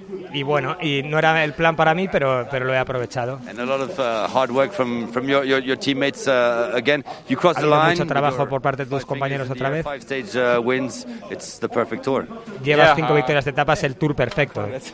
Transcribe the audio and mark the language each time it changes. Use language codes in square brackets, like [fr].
[es] Y bueno, y no era el plan para mí, pero lo he aprovechado. [en] And a lot of hard work from your teammates again. You crossed the line. [es] Mucho trabajo por parte de tus compañeros otra vez. [en] Five stage wins. It's the perfect tour. [es] Llevas cinco victorias de etapa, es el tour perfecto.